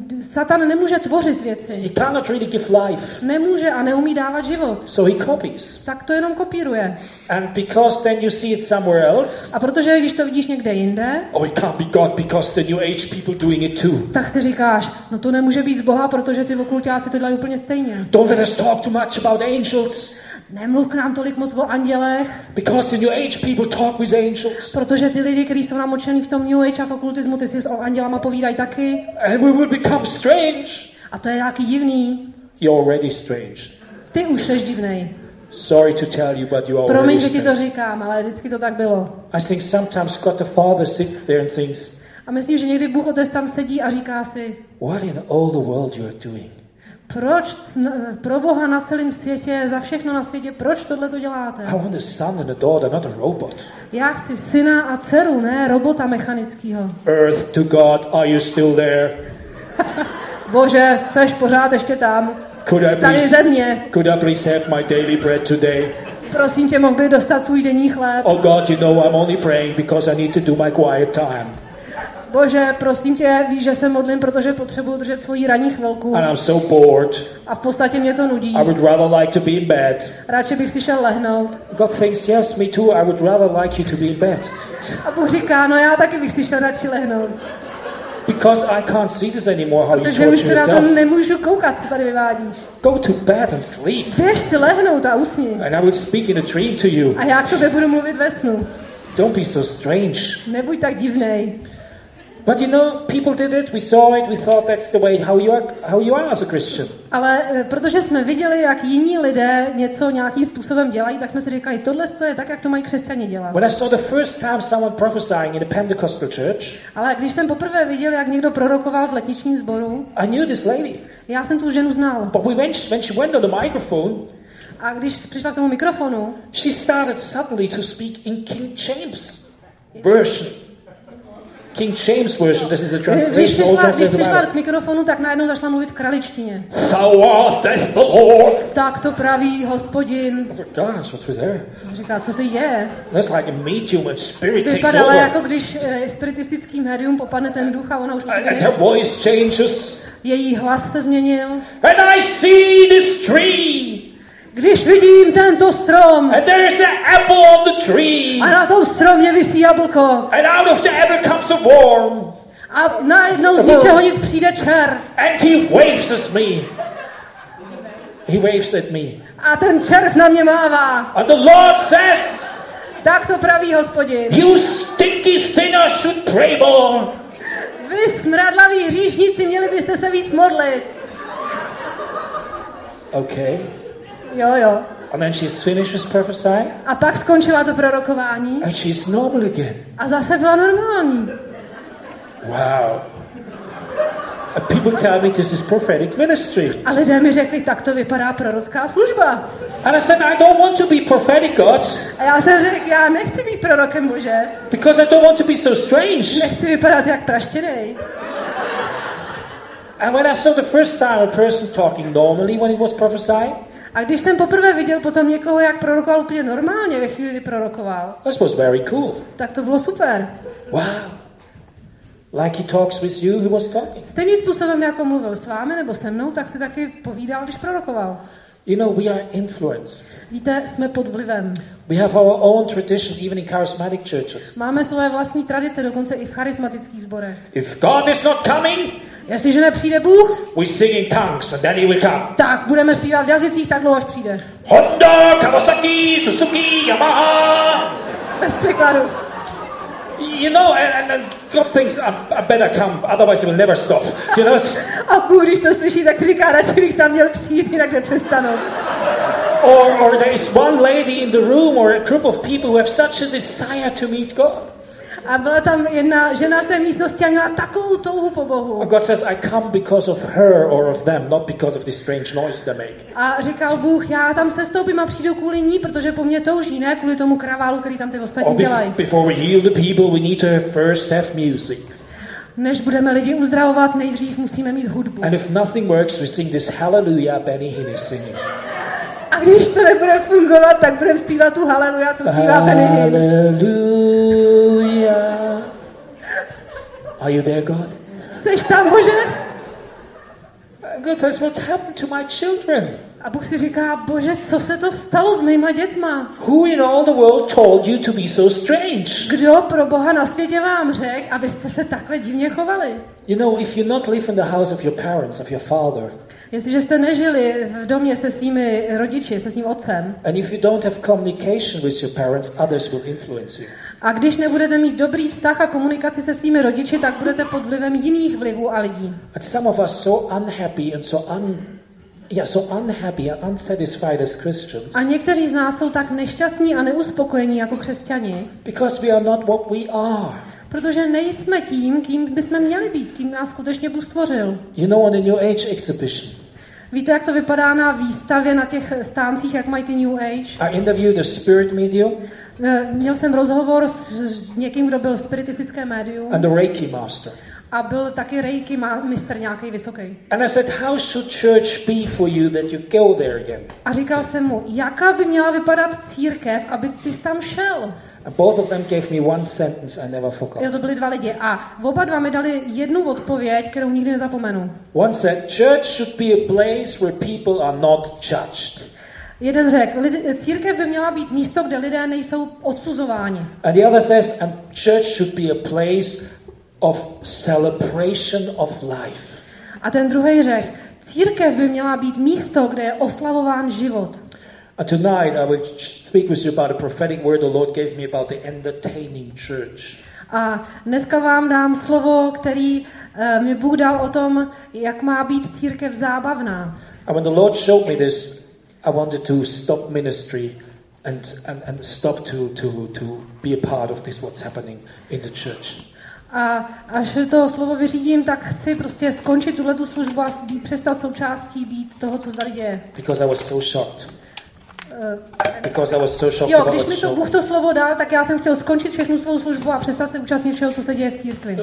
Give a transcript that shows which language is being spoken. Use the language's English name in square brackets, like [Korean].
[Czech] Satan nemůže tvořit věci. [English] He cannot really give life. [Czech] Nemůže a neumí dávat život. [English] So he copies. [Czech] Tak to jenom kopíruje. [English] And because then you see it somewhere else. [Czech] A protože když to vidíš někde jinde. [English] Oh, it can't be God because the new age people doing it too. [Czech] Tak si říkáš, no to nemůže být z Boha, protože ty okultáci to dělají úplně stejně. [English] Don't let us talk too much about angels. [Czech] Nemluv k nám tolik moc o andělech. [English] Because the new age people talk with angels. [Czech] Protože ty lidi, kteří jsou namočení v tom new age a v okultismu, ty si s andělama povídají taky. [English] And we will become strange. [Czech] A to je nějaký divný. [English] You're already strange. [Czech] Ty už jsi divnej. [English] Sorry to tell you, but you are already strange. [Czech] Promiň, že ti to říkám, ale vždycky to tak bylo. [English] I think sometimes God the Father sits there and thinks. [Czech] A myslím, že někdy Bůh Otec tam sedí a říká si. [English] What in all the world you are doing? [Czech] Proč pro Boha na celém světě, za všechno na světě, proč tohle to děláte? [English] I want a son and a daughter, not a robot. [Czech] Já chci syna a dceru, ne robota mechanického. [English] Earth to God, are you still there? [Czech] Bože, seš pořád ještě tam. Tady ze mě. [English] Could I please have my daily bread today? [Czech] Prosím tě, mohl by dostat svůj denní chléb. [English] Oh God, you know I'm only praying because I need to do my quiet time. [Czech] Bože, prosím tě, víš, že se modlím, protože potřebuji držet svoji ranní chvilku. [English] And I'm so bored. [Czech] A v podstatě mě to nudí. [English] I would rather like to be in bed. [Czech] Radši bych si šel lehnout. [English] God thinks, yes, me too, I would rather like you to be in bed. [Czech] A Bůh říká, no já taky bych si šel radši lehnout. [English] Because I can't see this anymore, how [Czech] protože [English] you torture yourself. [Czech] Protože už nemůžu koukat, co tady vyvádíš. [English] Go to bed and sleep. [Czech] Běž si lehnout a usni. [English] And I would speak in a dream to you. [Czech] A já k tobě budu mluvit ve snu. [English] Don't be so strange. [Czech] Nebuď tak divnej. [English] But you know, people did it. We saw it. We thought that's the way how you are as a Christian. [Czech] Ale protože jsme viděli, jak jiní lidé něco nějakým způsobem dělají, tak jsme si říkali, tohle je tak, jak to mají křesťané dělat. [English] When I saw the first time someone prophesying in a Pentecostal church. [Czech] Ale když jsem poprvé viděl, jak někdo prorokoval v letničním sboru. [English] I knew this lady. [Czech] Já jsem tu ženu znal. [English] But when she went on the microphone. [Czech] A když přišla k tomu mikrofonu. [English] She started suddenly to speak in King James version. King James version. This is the translation. [Czech] Když přišla k mikrofonu, tak najednou začala mluvit v kraličtině. [English] Thou art the Lord. [Czech] Tak to praví Hospodin. [English] Gosh, what's with her? [Czech] Říká, co to je? [English] That's like a medium and spirit takes over. [Czech] Vypadala jako když spiritistický médium popadne ten duch a ona už. [English] And her voice changes. [Czech] Její hlas se změnil. [English] And I see this tree. [Czech] Když vidím tento strom. [English] And there is an apple on the tree. [Czech] A na tom stromě visí jablko. [English] And out of the apple comes a worm. [Czech] A najednou z ničeho nic přijde čer. [English] And he waves at me. He waves at me. [Czech] A ten červ na mě mává. [English] And the Lord says. [Czech] Tak to praví Hospodin. [English] You stinky sinner should pray more. [Czech] Vy smradlaví hříšníci, měli byste se víc modlit. [English] Okay. [Czech] Jo, jo. [English] And then she's finished with prophesying. [Czech] A pak skončila to prorokování. [English] And she's normal again. [Czech] A zase byla normální. [English] Wow. And people tell me this is prophetic ministry. [Czech] A lidé mi řekli, tak to vypadá prorocká služba. [English] And I said, I don't want to be prophetic God. [Czech] A já jsem řekl, já nechci být prorokem Bože. [English] Because I don't want to be so strange. [Czech] Nechci vypadat jak praštěnej. [English] And when I saw the first time a person talking normally when it was prophesying. [Czech] A když jsem poprvé viděl potom někoho, jak prorokoval úplně normálně ve chvíli, kdy prorokoval. [English] That was very cool. [Czech] Tak to bylo super. [English] Wow. Like he talks with you, he was talking. [Czech] Stejným způsobem, jako mluvil s vámi nebo se mnou, tak si taky povídal, když prorokoval. [English] You know, we are influenced. [Czech] Víte, jsme pod vlivem. [English] We have our own tradition, even in charismatic churches. [Czech] Máme své vlastní tradice, dokonce i v charismatických sborech. [English] If God is not coming, [Czech] jestliže nepřijde Bůh, [English] we sing in tongues and then he will come. [Czech] Tak budeme zpívat v jazycích tak dlouho, až přijde. Honda, Kawasaki, Suzuki, Yamaha. Bez překladu. [English] You know, and God thinks I better come, otherwise it will never stop. You know? [Czech] A Bůh, když to slyší, tak říká, radši bych tam měl přijít, jinak nepřestanu. [English] Or there is one lady in the room or a group of people who have such a desire to meet God. [Czech] A byla tam jedna žena v té místnosti a měla takovou touhu po Bohu. [English] And God says I come because of her or of them, not because of the strange noise they make. [Czech] A říkal Bůh, já tam se stoupím a přijdu kvůli ní, protože po mně touží, ne kvůli tomu kraválu, který tam ty ostatní dělají. [English] Before we heal the people, we need to first have music. [Czech] Než budeme lidi uzdravovat, nejdřív musíme mít hudbu. [English] And if nothing works, we sing this hallelujah Benny Hinn is singing. [Czech] A když to nebude fungovat, tak budeme zpívat tu haleluja, co zpívá Benny Hinn. [English] Haleluja. Are you there, God? [Czech] Seš tam, Bože? [English] God, that's what happened to my children. [Czech] A Bůh si říká, Bože, co se to stalo s mýma dětma? [English] Who in all the world told you to be so strange? [Czech] Kdo pro Boha na světě vám řekl, abyste se takhle divně chovali? [English] You know, if you not live in the house of your parents, of your father. [Czech] Jestliže jste nežili v domě se svými rodiči, se svým otcem. [English] And if you don't have communication with your parents, others will influence you. [Czech] A když nebudete mít dobrý vztah a komunikaci se svými rodiči, tak budete pod vlivem jiných vlivů a lidí. [English] And some of us so unhappy and so unhappy and unsatisfied as Christians. [Czech] A někteří z nás jsou tak nešťastní a neuspokojení jako křesťani. [English] Because we are not what we are. [Czech] Protože nejsme tím, kým bychom měli být, kým nás skutečně Bůh stvořil. [English] You know, on the New Age exhibition. [Czech] Víte, jak to vypadá na výstavě na těch stáncích, jak mají ty New Age? [English] I interviewed a spirit medium. [Czech] Měl jsem rozhovor s někým, kdo byl spiritistické médium. [English] And the Reiki master. [Czech] A byl taky rejky mistr nějaký vysoký. [English] And I said, how should church be for you that you go there again? [Czech] A říkal jsem mu, jaká by měla vypadat církev, aby ty jsi tam šel? [English] And both of them gave me one sentence I never forgot. [Czech] Jo, to byli dva lidi a oba dva mi dali jednu odpověď, kterou nikdy nezapomenu. [English] One said, church should be a place where people are not judged. [Czech] Jeden řekl, církev by měla být místo, kde lidé nejsou odsuzováni. [English] And the other says, and church should be a place of celebration of life. [Czech] A ten druhý řekl, církev by měla být místo, kde je oslavován život. [English] And tonight I would speak with you about a prophetic word the Lord gave me about the entertaining church. [Czech] A dneska vám dám slovo, který mi Bůh dal o tom, jak má být církev zábavná. [English] And when the Lord showed me this, I wanted to stop ministry and stop to be a part of this what's happening in the church. [Czech] A až to slovo vyřídím, tak chci prostě skončit tuhle tu službu a přestat součástí být toho, co tady děje. [English] Because I was so shocked. [Czech] Jo, když mi to Bůh to slovo dal, tak já jsem chtěl skončit všechnu svou službu a přestat se účastnit všeho, co se děje v církvi.